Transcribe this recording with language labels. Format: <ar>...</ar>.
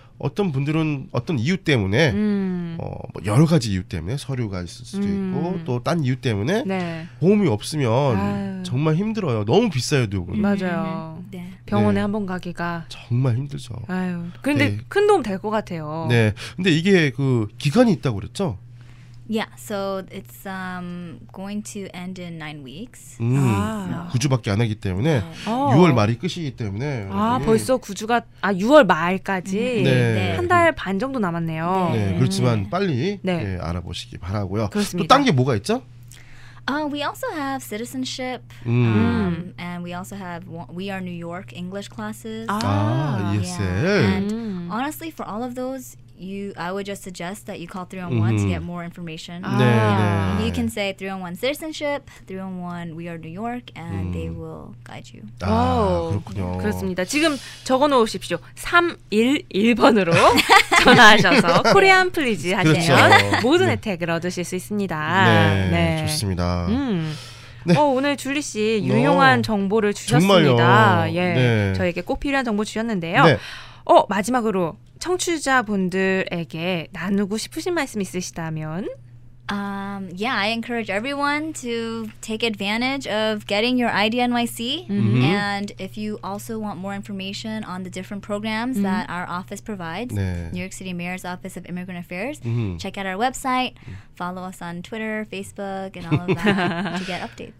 <ko>어떤 분들은 어떤 이유 때문에 뭐 여러 가지 이유 때문에 서류가 있을 수도 있고 또 딴 이유 때문에 네. 보험이 없으면 아유. 정말 힘들어요. 너무 비싸요, 두 분. 맞아요. 네. 병원에 네. 한번 가기가 정말 힘들죠. 아유. 근데 네. 큰 도움 될 것 같아요. 네. 근데 이게 그 기간이 있다고 그랬죠?</ko> <en>Yeah, so it's going to end in 9 weeks.</en> <ko>9주밖에 안 하기 때문에 6월 말이 끝이기 때문에 아 네. 벌써 9주가 아 6월 말까지 네. 네. 한 달 반 정도 남았네요. 네, 그렇지만 빨리 네. 네, 알아보시기 바라고요. 그렇습니다. 또 딴 게 뭐가 있죠?</ko> <en>We also have citizenship, and we also have We Are New York English classes. ESL. Yeah. And honestly, for all of those, I would just suggest that you call 311 to get more information. You can say 311 citizenship, 311 We Are New York, and they will guide you.</en> <ko>아, 그렇군요. 그렇습니다. 지금 적어놓으십시오. 311번으로 전화하셔서 코리안 플리즈 하시면 그렇죠. 모든 혜택을 얻으실 수 있습니다. 네, 네. 좋습니다. 네. 오늘 줄리 씨 유용한 정보를 주셨습니다. 정말요. 예, 네. 저에게 꼭 필요한 정보 주셨는데요. 네. 마지막으로 청취자분들에게 나누고 싶으신 말씀 있으시다면</ko> <en>I encourage everyone to take advantage of getting your IDNYC. Mm-hmm. And if you also want more information on the different programs mm-hmm. that our office provides,</en> <ko>네.</ko> <en>New York City Mayor's Office of Immigrant Affairs, mm-hmm. check out our website, follow us on Twitter, Facebook, and all of that to get updates.</en>